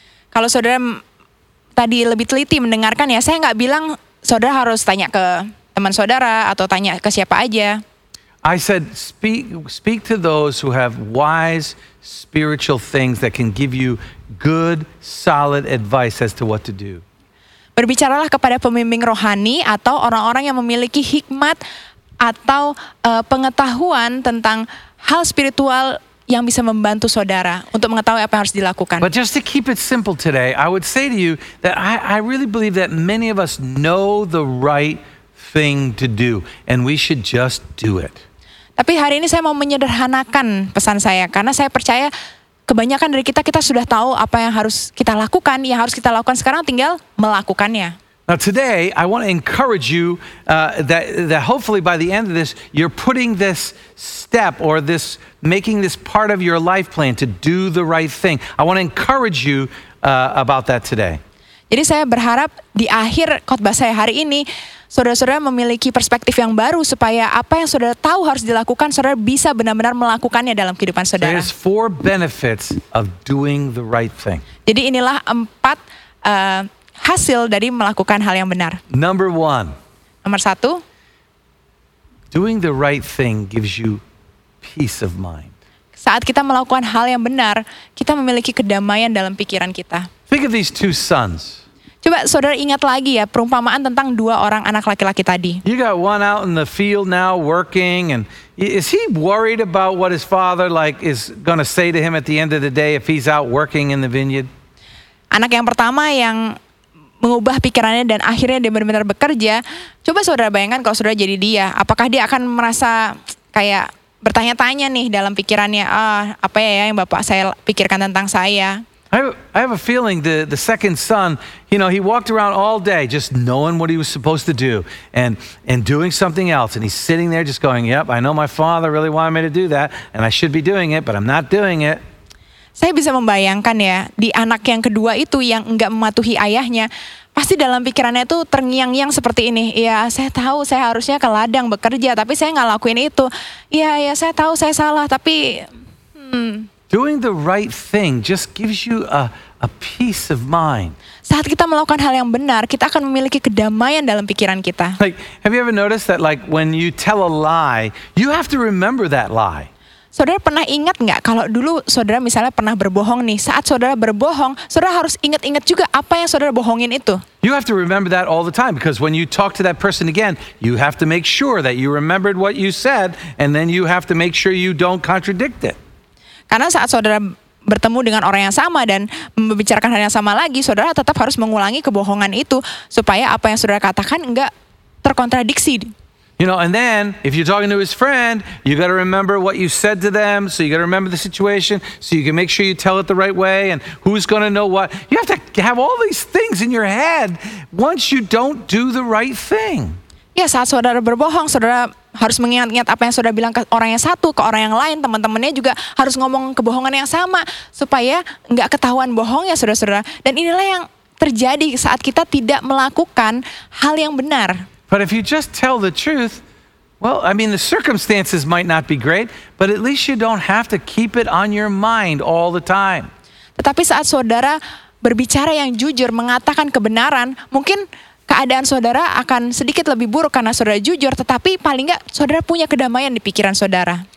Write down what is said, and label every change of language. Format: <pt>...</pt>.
<id>Kalau saudara tadi lebih teliti mendengarkan ya, saya enggak bilang saudara harus tanya ke teman saudara atau tanya ke siapa aja.</id> <en>I said speak to those who have wise spiritual things that can give you good solid advice as to what to do.</en> <id>Berbicaralah kepada pembimbing rohani atau orang-orang yang memiliki hikmat atau pengetahuan tentang hal spiritual yang bisa membantu saudara untuk mengetahui apa yang harus dilakukan.</id> <en>But just to keep it simple today, I would say to you that I really believe that many of us know the right thing to do and we should just do it.</en> <id>Tapi hari ini saya mau menyederhanakan pesan saya karena saya percaya kebanyakan dari kita sudah tahu apa yang harus kita lakukan, yang harus kita lakukan sekarang tinggal melakukannya.</id> <en>Now today I want to encourage you that hopefully by the end of this you're putting this step or this making this part of your life plan to do the right thing. I want to encourage you about that today.</en> <id>Jadi saya berharap di akhir khotbah saya hari ini saudara-saudara memiliki perspektif yang baru supaya apa yang saudara tahu harus dilakukan saudara bisa benar-benar melakukannya dalam kehidupan saudara.</id> <en>There's four benefits of doing the right thing.</en> <id>Jadi inilah empat hasil dari melakukan hal yang benar.</id> <en>Number one.</en> <id>Nomor satu.</id> <en>Doing the right thing gives you peace of mind.</en> <id>Saat kita melakukan hal yang benar, kita memiliki kedamaian dalam pikiran kita.</id> <en>Think of these two sons.</en> <id>Coba saudara ingat lagi ya perumpamaan tentang dua orang anak laki-laki tadi.</id> <en>You got one out in the field now working, and is he worried about what his father like is going to say to him at the end of the day if he's out working in the vineyard?</en> <id>Anak yang pertama yang mengubah pikirannya dan akhirnya dia benar-benar bekerja. Coba saudara bayangkan kalau saudara jadi dia, apakah dia akan merasa kayak bertanya-tanya nih dalam pikirannya, apa ya yang bapak saya pikirkan tentang saya?</id> <en>I have a feeling the second son, you know, he walked around all day just knowing what he was supposed to do and doing something else. And he's sitting there just going, yep, I know my father really wanted me to do that and I should be doing it, but I'm not doing it.</en> <id>Saya bisa membayangkan ya, di anak yang kedua itu yang enggak mematuhi ayahnya, pasti dalam pikirannya itu terngiang-ngiang seperti ini. Ya, saya tahu saya harusnya ke ladang bekerja, tapi saya enggak lakuin itu. Ya, saya tahu saya salah, tapi...</id> <en>Doing the right thing just gives you a peace of mind.</en> <id>Saat kita melakukan hal yang benar, kita akan memiliki kedamaian dalam pikiran kita.</id> <en>Like, have you ever noticed that like when you tell a lie, you have to remember that lie.</en> <id>Saudara pernah ingat enggak kalau dulu saudara misalnya pernah berbohong nih, saat saudara berbohong, saudara harus ingat-ingat juga apa yang saudara bohongin itu.</id> <en>You have to remember that all the time because when you talk to that person again, you have to make sure that you remembered what you said and then you have to make sure you don't contradict it.</en> <id>Karena saat saudara bertemu dengan orang yang sama dan membicarakan hal yang sama lagi, saudara tetap harus mengulangi kebohongan itu supaya apa yang saudara katakan enggak terkontradiksi.</id> <en>You know, and then if you're talking to his friend, you got to remember what you said to them, so you got to remember the situation, so you can make sure you tell it the right way and who's going to know what. You have to have all these things in your head once you don't do the right thing.</en> <id>Ya, saat saudara berbohong, saudara harus mengingat-ingat apa yang saudara bilang ke orang yang satu, ke orang yang lain, teman-temannya juga harus ngomong kebohongan yang sama supaya enggak ketahuan bohong ya saudara-saudara. Dan inilah yang terjadi saat kita tidak melakukan hal yang benar.</id> <en>But if you just tell the truth, well, I mean the circumstances might not be great, but at least you don't have to keep it on your mind all the time.</en> <id>Tetapi saat saudara berbicara yang jujur, mengatakan kebenaran, mungkin keadaan saudara akan sedikit lebih buruk karena saudara jujur, tetapi paling enggak saudara punya kedamaian di pikiran saudara.</id>